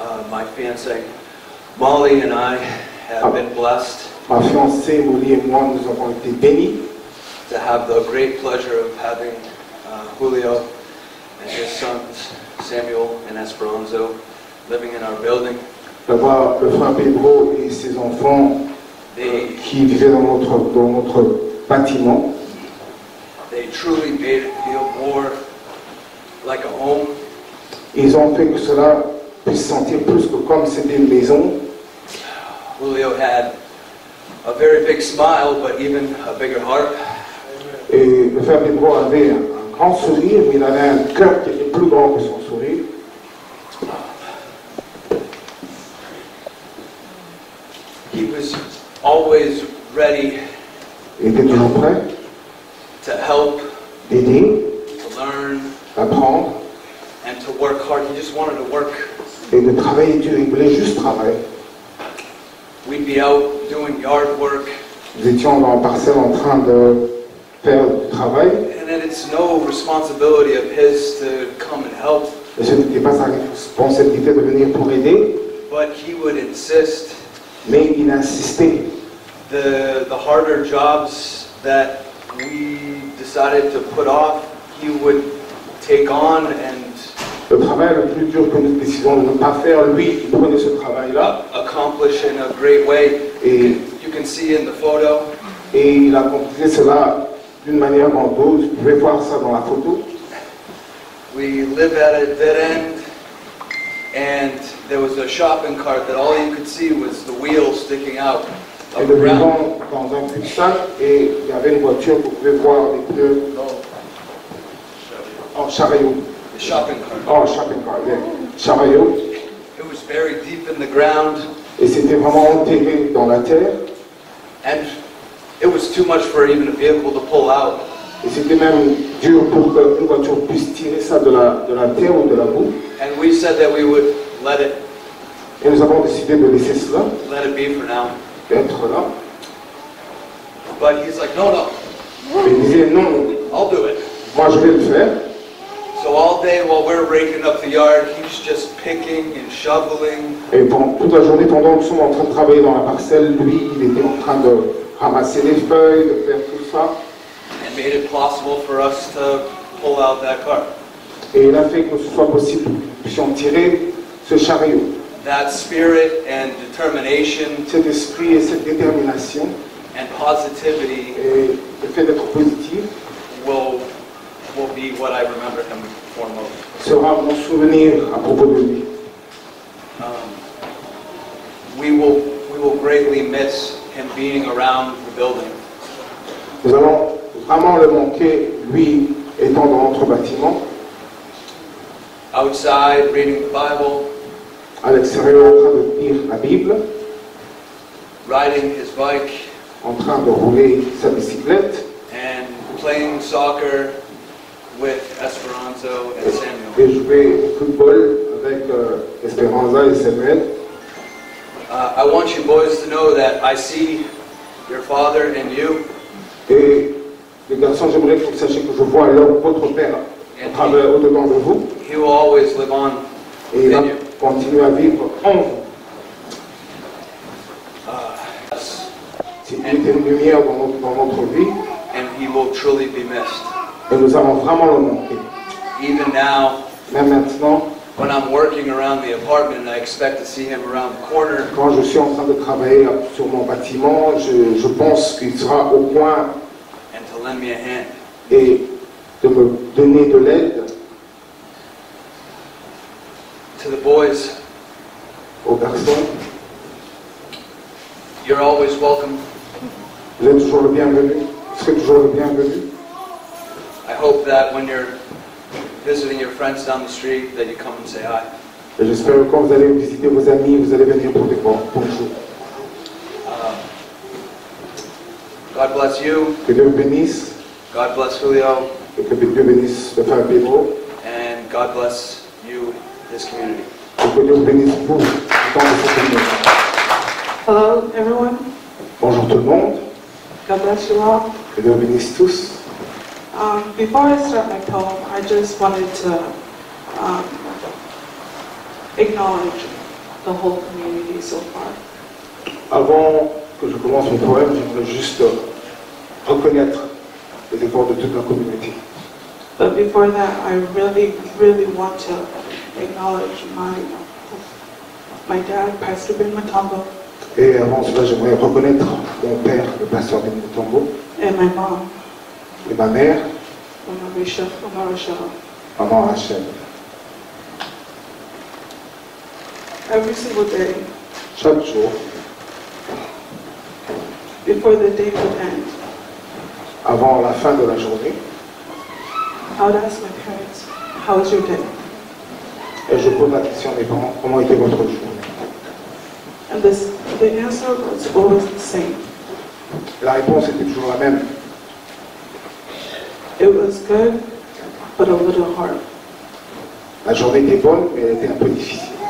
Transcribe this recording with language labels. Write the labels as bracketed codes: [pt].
[en] My fiancée Molly and I have been blessed. [fr] Ma fiancée Molly et moi nous avons été bénis. [en] To have the great pleasure of having Julio and his sons Samuel and Esperanza living in our building. [fr] D'avoir le frère Pedro et ses enfants qui vivaient dans notre bâtiment. [en] They truly made it feel more like a home. [fr] Ils ont fait que cela puisse sentir plus que comme c'était une maison. [en] Julio had a very big smile, but even a bigger heart. [fr] Et le frère Pedro avait un grand sourire, mais il avait un cœur qui était plus grand que son sourire. [en] He was always ready. [fr] Il était toujours prêt. [en] To help. [fr] D'aider. [en] To learn. [fr] Apprendre. [en] And to work hard, he just wanted to work. [fr] Et de travailler dur, il voulait juste travailler. [en] We'd be out doing yard work. [fr] Nous étions dans la parcelle en train de faire du travail. [en] And then it's no responsibility of his to come and help. [fr] Et ce n'était pas sa responsabilité de venir pour aider. [en] But he would insist. [fr] Mais il insistait. [en] The harder jobs that we decided to put off, he would take on and. [fr] Le travail le plus dur que nous décidons de ne pas faire, lui, il prenait ce travail-là. [en] Accomplish in a great way. Et you can see in the photo. [fr] Et il accomplissait cela d'une manière grandiose. Vous pouvez voir ça dans la photo. [en] We live at a dead end, and there was a shopping cart that all you could see was the wheel sticking out. [fr] Et nous vivons dans un cul-de-sac et il y avait une voiture. Vous pouvez voir les deux en chariot. [en] Shopping cart. [fr] Chariot. [en] It was buried deep in the ground. [fr] Et c'était vraiment enterré dans la terre. [en] And it was too much for even a vehicle to pull out. [fr] Et c'était même dur pour qu'une voiture puisse tirer ça de la terre ou de la boue. [en] And we said that we would let it. [fr] Et nous avons décidé de laisser cela. [en] Let it be for now. [fr] D'être là. [en] But he's like, no, no. [fr] Il disait non. [en] I'll do it. [fr] Moi, je vais le faire. [en] So all day while we're raking up the yard, he's just picking and shoveling. [fr] Et pendant toute la journée, pendant que nous sommes en train de travailler dans la parcelle, lui, il était en train de ramasser les feuilles, de faire tout ça. [en] And made it possible for us to pull out that cart. [fr] Et il a fait que ce soit possible que nous puissions tirer ce chariot. [en] That spirit and determination. [fr] Cet esprit et cette détermination. [en] And positivity. [fr] Et le fait d'être positif. [en] Will be what I remember him for most. [fr] Sera mon souvenir à propos de lui. [en] We will greatly miss him being around the building. [fr] Nous allons vraiment le manquer, lui étant dans notre bâtiment. [en] Outside reading the Bible. [fr] À l'extérieur en train de lire la Bible. [en] Riding his bike. [fr] En train de rouler sa bicyclette. [en] And playing soccer. With Esperanza and Samuel. [fr] Et jouer au football avec Esperanza et Samuel. [en] I want you boys to know that I see your father and you. [fr] Et les garçons, j'aimerais que vous sachiez que je vois alors votre père à travers au-dedans de vous. [en] He will always live on. [fr] Et il va continuer à vivre en vous. C'est une lumière dans notre vie. [en] And he will truly be missed. [fr] Et nous avons vraiment le manqué. [en] Even now, [fr] même maintenant, [en] when I'm working around the apartment, I expect to see him around the corner. [fr] Quand je suis en train de travailler sur mon bâtiment, je pense qu'il sera au coin. [en] And to lend me a hand. [fr] Et de me donner de l'aide. [en] To the boys. [fr] Aux garçons. [en] You're always welcome. [fr] Vous êtes toujours le bienvenu. Vous êtes toujours le bienvenu. [en] I hope that when you're visiting your friends down the street, that you come and say hi. [fr] Et j'espère que quand vous allez visiter vos amis, vous allez venir pour dire bonjour. [en] God bless you. [fr] Que Dieu vous bénisse. [en] God bless Julio. [fr] Et que Dieu bénisse le frère Pedro. [en] And God bless you, this community. [fr] Et que Dieu vous bénisse vous, dans cette communauté. [en] Hello, everyone. [fr] Bonjour tout le monde. [en] God bless you all. [fr] Que Dieu vous bénisse tous. [en] Before I start my poem, I just wanted to acknowledge the whole community so far. [fr] Avant que je commence mon poème, je voudrais juste reconnaître les efforts de toute la communauté. [en] But before that, I really, really want to acknowledge my dad, Pastor Ben Matambo. [fr] Et avant cela, j'aimerais reconnaître mon père, le pasteur Ben Matambo. [en] And my mom. [fr] Et ma mère. Maman Rachel. [en] Every single day. [fr] Chaque jour. [en] Before the day would end. [fr] Avant la fin de la journée. [en] I would ask my parents, how was your day? [fr] Et je pose la question à mes parents, comment était votre journée? [en] And the answer was always the same. [fr] La réponse était toujours la même. [en] It was good, but a little hard. [fr] La journée était bonne, mais elle était un peu difficile.